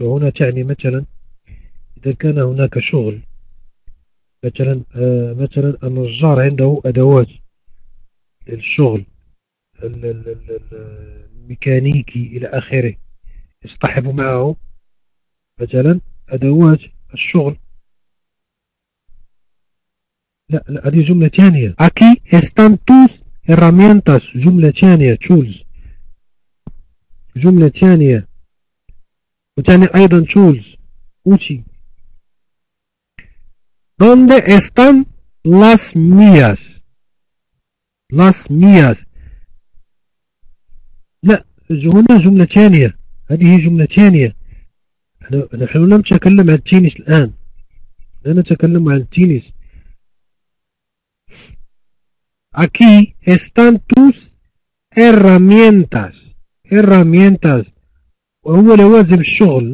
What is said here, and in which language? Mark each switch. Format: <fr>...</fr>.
<ar>وهنا تعني مثلا إذا كان هناك شغل، مثلا النجار عنده أدوات للشغل، الميكانيكي إلى آخره، يصطحب معه مثلا أدوات الشغل. لا، هذه جملة ثانية.</ar> <es>Aquí están tus herramientas،</es> <ar>جملة ثانية، tools، جملة ثانية، وتعني أيضا tools، أوتي.</ar> <es>¿Dónde están las mías؟ las mías.</es> <ar>لا، هنا جملة ثانية، هذه جملة ثانية. نحن لا نتكلم عن التنس الآن، لا نتكلم عن التنس.</ar> <es>Aquí están tus herramientas.</es> <ar>herramientas، وهو لوازم الشغل.</ar>